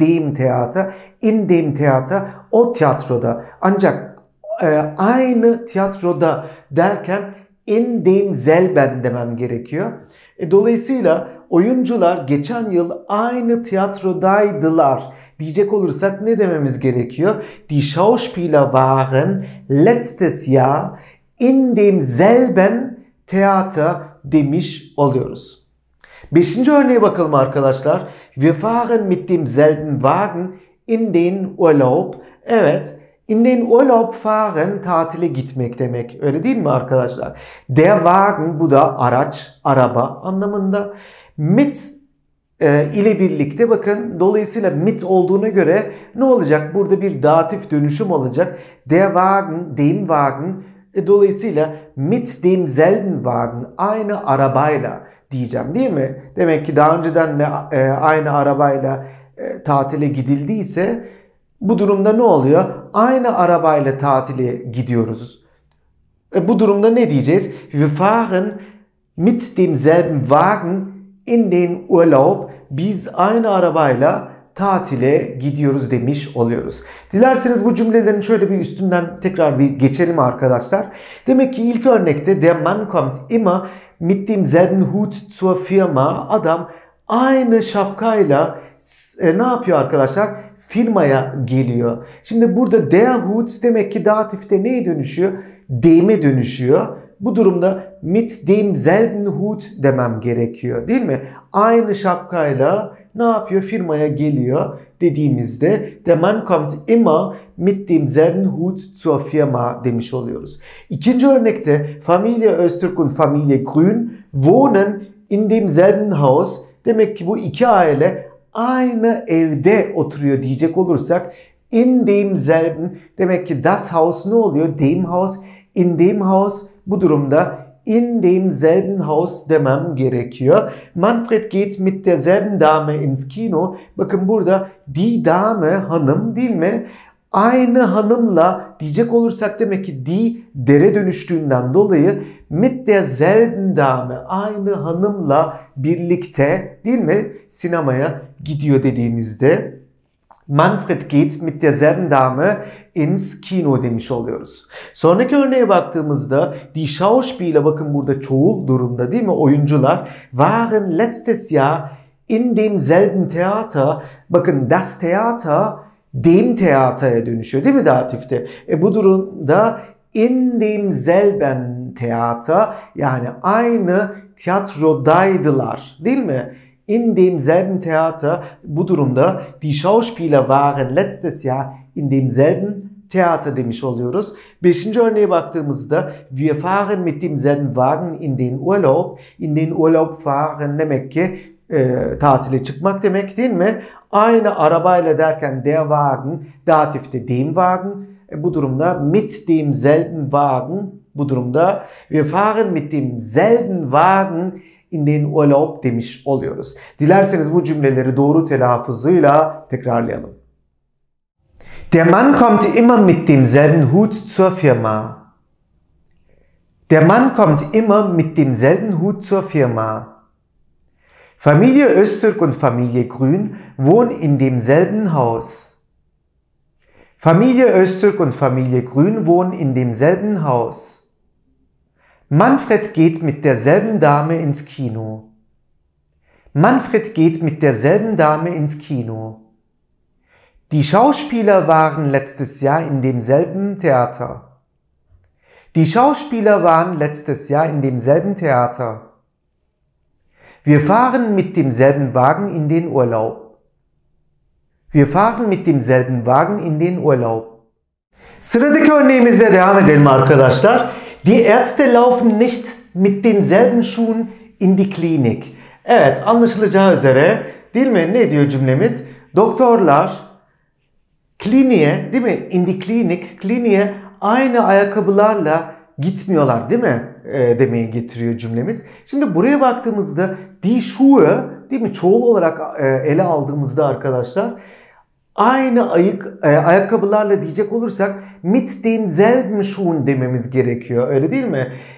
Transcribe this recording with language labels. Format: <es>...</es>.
<de>Dem Theater, in dem Theater,</de> <tr>o tiyatroda. Ancak aynı tiyatroda derken</tr> <de>in dem selben</de> <tr>demem gerekiyor. Dolayısıyla oyuncular geçen yıl aynı tiyatrodaydılar diyecek olursak ne dememiz gerekiyor?</tr> <de>Die Schauspieler waren letztes Jahr in demselben Theater</de> <tr>demiş oluyoruz. Beşinci örneğe bakalım arkadaşlar.</tr> <de>Wir fahren mit demselben Wagen in den Urlaub.</de> <tr>Evet,</tr> <de>in den Urlaub fahren</de> <tr>tatile gitmek demek. Öyle değil mi arkadaşlar? Der Wagen, bu da araç, araba anlamında. Mit ile birlikte bakın. Dolayısıyla mit olduğuna göre ne olacak? Burada bir datif dönüşüm olacak.</tr> <de>Der Wagen, dem Wagen.</de> <tr>Dolayısıyla</tr> <de>mit demselben Wagen,</de> <tr>aynı arabayla diyeceğim, değil mi? Demek ki daha önceden de aynı arabayla tatile gidildiyse bu durumda ne oluyor? Aynı arabayla tatile gidiyoruz. Bu durumda ne diyeceğiz?</tr> <de>Wir fahren mit demselben Wagen in den Urlaub.</de> <tr>Biz aynı arabayla tatile gidiyoruz demiş oluyoruz. Dilerseniz bu cümlelerin şöyle bir üstünden tekrar bir geçelim arkadaşlar. Demek ki ilk örnekte</tr> <de>der Mann kommt immer mit demselben Hut zur Firma.</de> <tr>Adam aynı şapkayla ne yapıyor arkadaşlar? Firmaya geliyor. Şimdi burada der Hut demek ki datifte neye dönüşüyor? Dem'e dönüşüyor. Bu durumda</tr> <de>mit demselben Hut</de> <tr>demem gerekiyor, değil mi? Aynı şapkayla ne yapıyor? Firmaya geliyor dediğimizde</tr> <de>der Mann kommt immer mit demselben Hut zur Firma</de> <tr>demiş oluyoruz. İkinci örnekte</tr> <de>Familie Öztürk und Familie Grün wohnen in demselben Haus.</de> <tr>Demek ki bu iki aile aynı evde oturuyor diyecek olursak</tr> <de>in demselben,</de> <tr>demek ki</tr> <de>das Haus</de> <tr>ne oluyor?</tr> <de>Dem Haus, in dem Haus,</de> <tr>bu durumda</tr> <de>in demselben Haus</de> <tr>demem gerekiyor.</tr> <de>Manfred geht mit derselben Dame ins Kino.</de> <tr>Bakın burada die Dame, hanım, değil mi? Aynı hanımla diyecek olursak demek ki die dere dönüştüğünden dolayı</tr> <de>mit derselben Dame,</de> <tr>aynı hanımla birlikte, değil mi, sinemaya gidiyor dediğimizde</tr> <de>Manfred geht mit derselben Dame ins Kino</de> <tr>demiş oluyoruz. Sonraki örneğe baktığımızda</tr> <de>die Schauspieler,</de> <tr>bakın burada çoğul durumda, değil mi, oyuncular</tr> <de>waren letztes Jahr in demselben Theater.</de> <tr>Bakın das Theater dem Theater'a dönüşüyor, değil mi, datifte. Bu durumda</tr> <de>in demselben Theater,</de> <tr>yani aynı tiyatrodaydılar, değil mi?</tr> <de>In demselben Theater,</de> <tr>bu durumda</tr> <de>die Schauspieler waren letztes Jahr in demselben Theater</de> <tr>demiş oluyoruz. Beşinci örneğe baktığımızda</tr> <de>wir fahren mit demselben Wagen in den Urlaub. In den Urlaub fahren</de> <tr>demek ki tatile çıkmak demek, değil mi? Aynı arabayla derken der Wagen, datifte dem Wagen. Bu durumda</tr> <de>mit demselben Wagen,</de> <tr>bu durumda</tr> <de>wir fahren mit demselben Wagen in den Urlaub</de> <tr>demiş oluyoruz. Dilerseniz bu cümleleri doğru telaffuzuyla tekrarlayalım.</tr> <de>Der Mann kommt immer mit demselben Hut zur Firma. Der Mann kommt immer mit demselben Hut zur Firma. Familie Öztürk und Familie Grün wohnen in demselben Haus. Familie Öztürk und Familie Grün wohnen in demselben Haus. Manfred geht mit derselben Dame ins Kino. Manfred geht mit derselben Dame ins Kino. Die Schauspieler waren letztes Jahr in demselben Theater. Die Schauspieler waren letztes Jahr in demselben Theater. Wir fahren mit demselben Wagen in den Urlaub. Wir fahren mit demselben Wagen in den Urlaub.</de> <tr>Sıradaki örneğimize devam edelim arkadaşlar.</tr> <de>Die Ärzte laufen nicht mit denselben Schuhen in die Klinik.</de> <tr>Evet, anlaşılacağı üzere, değil mi? Ne diyor cümlemiz? Doktorlar kliniğe, değil mi?</tr> <de>In die Klinik,</de> <tr>kliniğe aynı ayakkabılarla gitmiyorlar, değil mi? Demeye getiriyor cümlemiz. Şimdi buraya baktığımızda die Schuhe, değil mi, çoğul olarak ele aldığımızda arkadaşlar aynı ayakkabılarla diyecek olursak</tr> <de>mit denselben Schuhen</de> <tr>dememiz gerekiyor. Öyle değil mi?</tr>